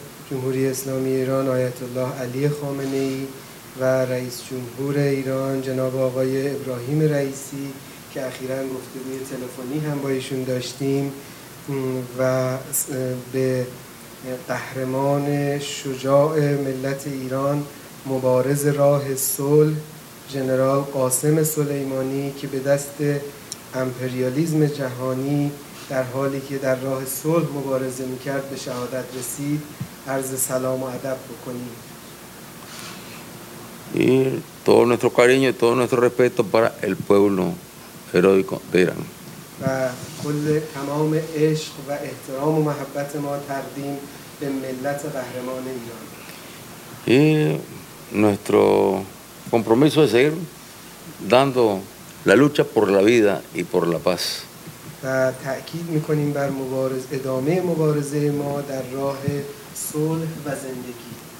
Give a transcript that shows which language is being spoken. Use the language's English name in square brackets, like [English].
[Persian] جمهوری اسلامی ایران آیت الله علی خامنه ای و رئیس جمهور ایران جناب آقای ابراهیم رئیسی که اخیراً گفتگوی تلفنی هم با ایشون داشتیم و به قهرمان شجاع ملت ایران مبارز راه صلح جنرال قاسم سلیمانی که به دست امپریالیسم جهانی در حالی که در راه صلح مبارزه میکرد به شهادت رسید عرض سلام و ادب بکنیم. [Spanish] Y todo nuestro cariño y todo nuestro respeto para el pueblo heroico de Irán. [Persian] و کل تمام عشق و احترام و محبت ما تقدیم به ملت قهرمان ایران. [Spanish] Y nuestro compromiso es seguir dando la lucha por la vida y por la paz. [Persian] و تأکید میکنیم بر ادامه مبارزه ما در راه صلح و زندگی.